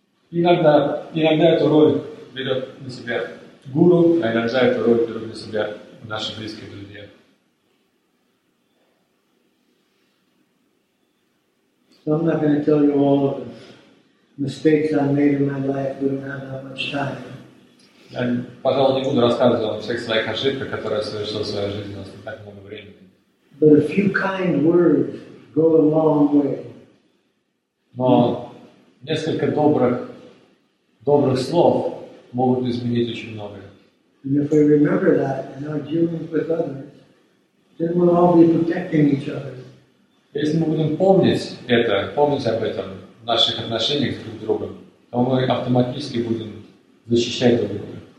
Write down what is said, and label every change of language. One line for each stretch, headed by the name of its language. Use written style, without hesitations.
Russian: Иногда эту роль берет на себя гуру, а иногда эту роль берут на себя наши близкие друзья.
English: So I'm not going to tell you all of the mistakes I made in my life. We don't have that much time.
Russian: Я, пожалуй, не буду рассказывать вам всех своих ошибках, которые я совершил в своей жизни, у нас не так много времени.
English: But a few kind words go a long way.
Russian: Но несколько добрых слов могут изменить очень многое.
English: And if we remember that and are dealing with others, then we'll all be protecting each other.
Russian: Если мы будем помнить это, помнить об этом в наших отношениях друг с другом, то мы автоматически будем защищать друг друга.